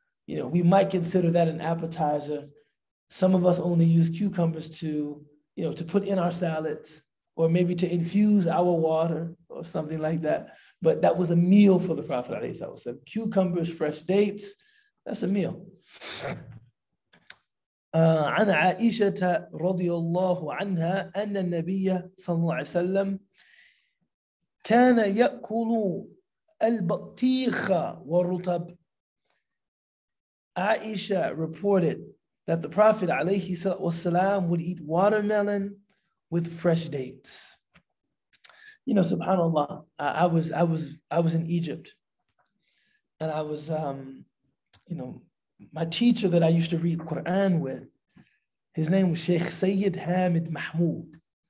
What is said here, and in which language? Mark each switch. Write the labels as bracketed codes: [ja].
[en] You know, we might consider that an appetizer. Some of us only use cucumbers to put in our salads, or maybe to infuse our water or something like that. But that was a meal for the Prophet ﷺ. So cucumbers, fresh dates, that's a meal. [ar] عن عائشة رضي الله عنها أن النبي صلى الله عليه وسلم كان يأكل البطيخ والرطب. [en] Aisha reported that the Prophet alayhi wasalam would eat watermelon with fresh dates. You know, subhanAllah, I was in Egypt, and I was, my teacher that I used to read Quran with, his name was Sheikh Sayyid Hamid Mahmoud.